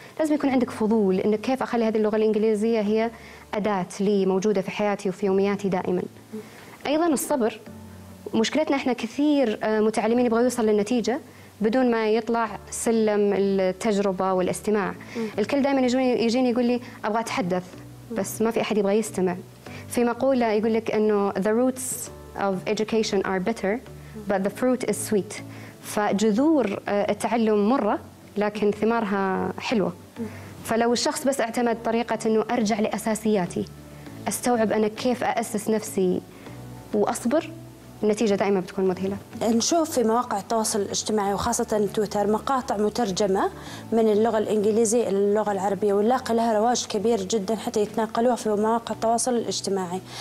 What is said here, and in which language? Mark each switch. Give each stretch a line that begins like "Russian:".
Arabic: لازم يكون عندك فضول إنك كيف أخلي هذه اللغة الإنجليزية هي أداة لي موجودة في حياتي وفي يومياتي دائما. أيضا الصبر. مشكلتنا إحنا كثير متعلمين يبغوا يوصل للنتيجة بدون ما يطلع سلم التجربة والاستماع. الكل دائما يجيني يقول لي أبغى أتحدث بس ما في أحد يبغى يستمع. في مقولة يقول لك إنه
English: the roots of education are bitter but the fruit is sweet.
Arabic: فجذور التعلم مرة لكن ثمارها حلوة. فلو الشخص بس اعتمد طريقة أنه أرجع لأساسياتي أستوعب أنا كيف أأسس نفسي وأصبر النتيجة دائما بتكون مذهلة. نشوف في مواقع التواصل الاجتماعي وخاصة تويتر مقاطع مترجمة من اللغة الإنجليزية إلى اللغة العربية ونلاقي لها رواج كبير جدا حتى يتناقلوها في مواقع التواصل الاجتماعي.